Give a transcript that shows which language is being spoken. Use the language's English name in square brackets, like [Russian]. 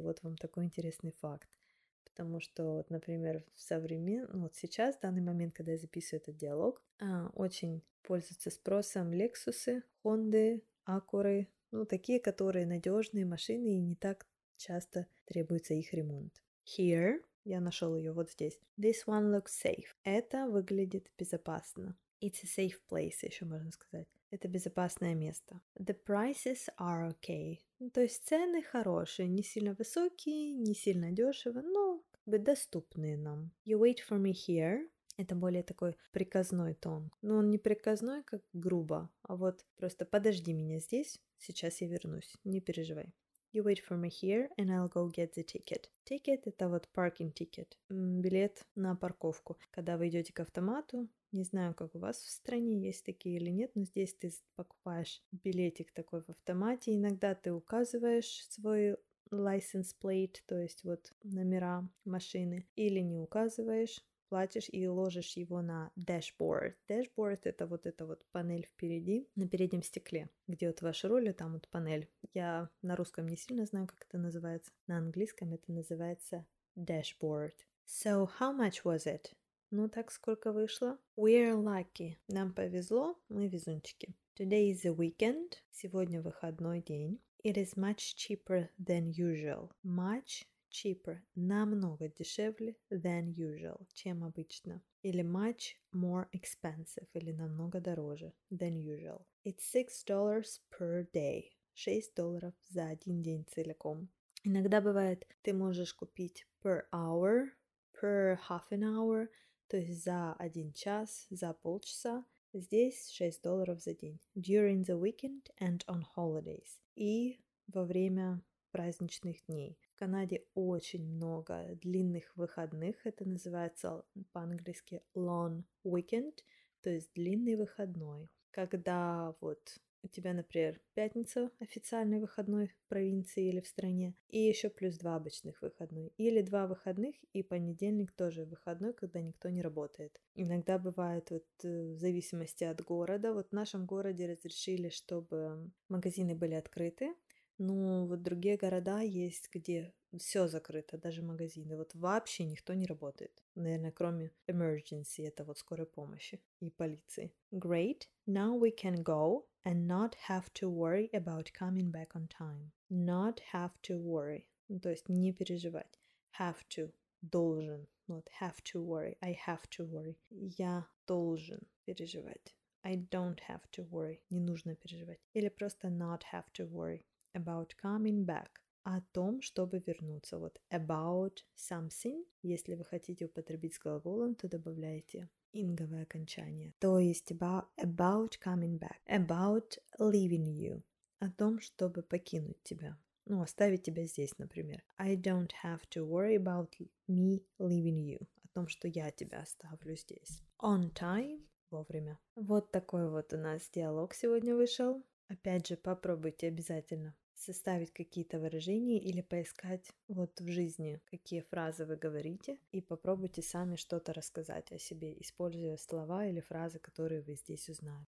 [Russian] Вот вам такой интересный факт. Потому что, вот, например, вот сейчас, в данный момент, когда я записываю этот диалог, очень пользуются спросом Лексусы, Хонды, Акуры. Ну, такие, которые надежные машины, и не так часто требуется их ремонт. Here, я нашел ее вот здесь. [English] This one looks safe. [Russian] Это выглядит безопасно. [English] It's a safe place, [Russian] еще можно сказать. Это безопасное место. [English] The prices are okay. [Russian] Ну, то есть цены хорошие, не сильно высокие, не сильно дешево, но как бы доступные нам. [English] You wait for me here. [Russian] Это более такой приказной тон. Но он не приказной, как грубо, а вот просто подожди меня здесь, сейчас я вернусь, не переживай. [English] You wait for me here and I'll go get the ticket. [Russian] Ticket — это вот parking ticket, билет на парковку. Когда вы идете к автомату, не знаю, как у вас в стране, есть такие или нет, но здесь ты покупаешь билетик такой в автомате, иногда ты указываешь свой license plate, то есть вот номера машины, или не указываешь. Платишь и ложишь его на dashboard. Dashboard — это вот эта вот панель впереди, на переднем стекле, где вот ваш руль, там вот панель. Я на русском не сильно знаю, как это называется. На английском это называется dashboard. [English] So, how much was it? [Russian] Ну, так сколько вышло? [English] We're lucky. [Russian] Нам повезло, мы везунчики. [English] Today is a weekend. [Russian] Сегодня выходной день. [English] It is much cheaper than usual. Much cheaper, [Russian] намного дешевле [English] than usual, [Russian] чем обычно. Или [English] much more expensive, [Russian] или намного дороже [English] than usual. It's $6 per day. [Russian] $6 за один день целиком. Иногда бывает, ты можешь купить [English] per hour, per half an hour, [Russian] то есть за один час, за полчаса. Здесь $6 за день. [English] During the weekend and on holidays. [Russian] И во время праздничных дней. В Канаде очень много длинных выходных, это называется по-английски long weekend, то есть длинный выходной. Когда вот у тебя, например, пятница официальный выходной в провинции или в стране, и еще плюс два обычных выходных, или два выходных, и понедельник тоже выходной, когда никто не работает. Иногда бывает вот в зависимости от города, вот в нашем городе разрешили, чтобы магазины были открыты. Ну, вот другие города есть, где все закрыто, даже магазины. Вот вообще никто не работает. Наверное, кроме emergency, это вот скорой помощи и полиции. [English] Great, now we can go and not have to worry about coming back on time. Not have to worry. [Russian] Ну, то есть не переживать. [English] Have to, [Russian] должен. [English] Not have to worry, I have to worry. [Russian] Я должен переживать. [English] I don't have to worry. [Russian] Не нужно переживать. Или просто [English] not have to worry. About coming back. [Russian] О том, чтобы вернуться. Вот about something. Если вы хотите употребить с глаголом, то добавляете инговое окончание. То есть [English] about coming back. About leaving you. [Russian] О том, чтобы покинуть тебя. Ну, оставить тебя здесь, например. [English] I don't have to worry about me leaving you. [Russian] О том, что я тебя оставлю здесь. [English] On time. [Russian] Вовремя. Вот такой вот у нас диалог сегодня вышел. Опять же, попробуйте обязательно составить какие-то выражения или поискать вот в жизни, какие фразы вы говорите, и попробуйте сами что-то рассказать о себе, используя слова или фразы, которые вы здесь узнаете.